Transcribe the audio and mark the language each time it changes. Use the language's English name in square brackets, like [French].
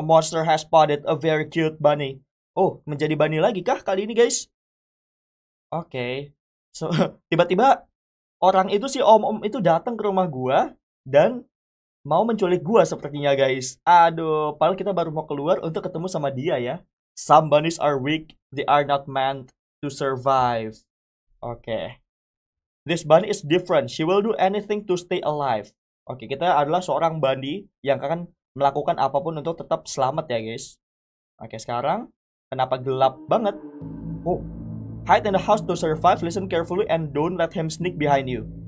[English] A monster has spotted a very cute bunny. [Indonesian] Oh, menjadi bunny lagi kah kali ini, guys? Oke. So, tiba-tiba orang itu, si om-om itu datang ke rumah gua dan mau menculik gua sepertinya, guys. Aduh, padahal kita baru mau keluar untuk ketemu sama dia ya. [English] Some bunnies are weak. They are not meant to survive. Oke. This bunny is different. She will do anything to stay alive. [Indonesian] Oke, kita adalah seorang bunny yang akan melakukan apapun untuk tetap selamat ya, guys. Oke, sekarang kenapa gelap banget? Oh. [English] Hide in the house to survive, listen carefully, and don't let him sneak behind you.